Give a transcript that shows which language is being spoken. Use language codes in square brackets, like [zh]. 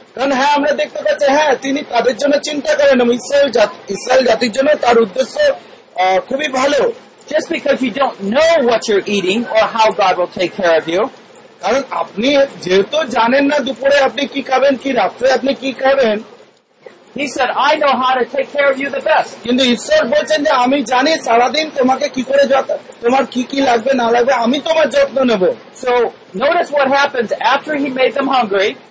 [bn] কারণ হ্যাঁ আমরা দেখতে পাচ্ছি হ্যাঁ তিনি তাদের জন্য চিন্তা করেন এবং ইসরায়েল জাতির জন্য তার উদ্দেশ্য খুবই ভালো [en] Just because you don't know what you're eating or how God will take care of you. [bn] কারণ আপনি যেহেতু জানেন না দুপুরে আপনি কি খাবেন কি রাত্রে আপনি কি খাবেন [en] He said, I know how to take care of you the best. [bn] কিন্তু ঈশ্বর বলছেন যে আমি জানি সারাদিন তোমাকে কি করে তোমার কি কি লাগবে না লাগবে আমি তোমার যত্ন নেব [en] So, notice what happens after he made them hungry.